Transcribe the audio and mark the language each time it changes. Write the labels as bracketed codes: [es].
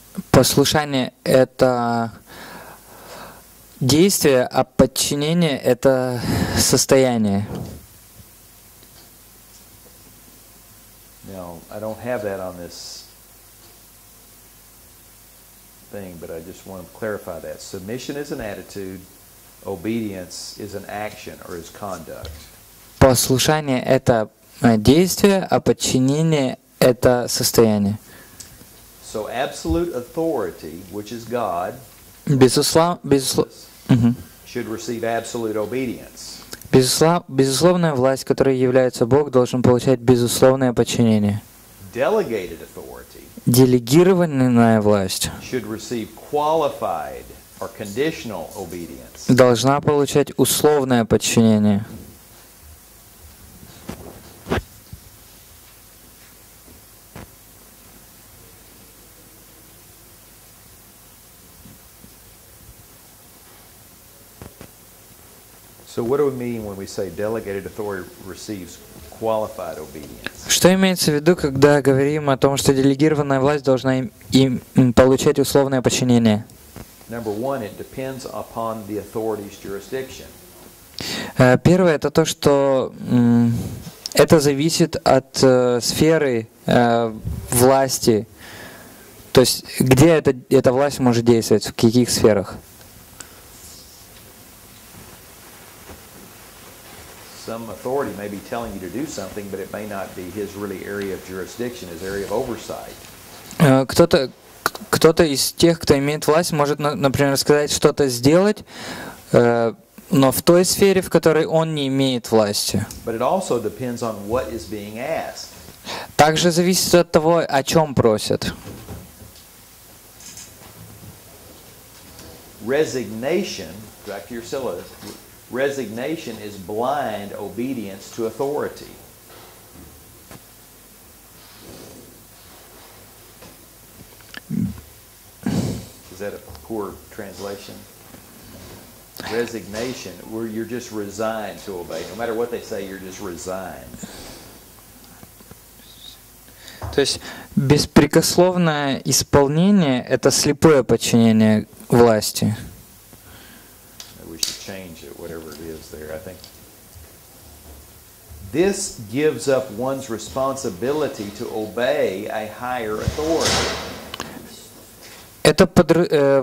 [ru] Послушание — это действие, а подчинение — это состояние. [en] Now, I don't have that on this thing, but I just want to clarify that. Submission is an attitude, obedience is an action or is conduct. [ru] Послушание — это действие, а подчинение — это состояние. [en] So absolute authority, which is God, should receive absolute obedience. [ru] Безусловная власть, которой является Бог, должен получать безусловное подчинение. [en] Delegated authority. [ru] Делегированная власть [en] should receive qualified or conditional obedience. [ru] Должна получать условное подчинение. [en] So what do we mean when we say delegated authority receives qualified obedience? [ru] Что имеется в виду, когда говорим о том, что делегированная власть должна им получать условное подчинение? [en] Number one, it depends upon the authority's jurisdiction. [ru] Первое — это то, что это зависит от сферы власти. То есть где эта власть может действовать, в каких сферах? [en] Some authority may be telling you to do something, but it may not be his really area of jurisdiction, his area of oversight. [ru] Кто-то из тех, кто имеет власть, может, например, сказать что-то сделать, но в той сфере, в которой он не имеет власти. [en] But it also depends on what is being asked. [ru] Также зависит от того, о чем просят. [en] Resignation, back to your syllabus. Resignation is blind obedience to authority. Is that a poor translation? Resignation, where you're just resigned to obey. No matter what they say, you're just resigned. [ru] То есть беспрекословное исполнение — это слепое подчинение власти. [en] Change it, whatever it is there, I think. This gives up one's responsibility to obey a higher authority.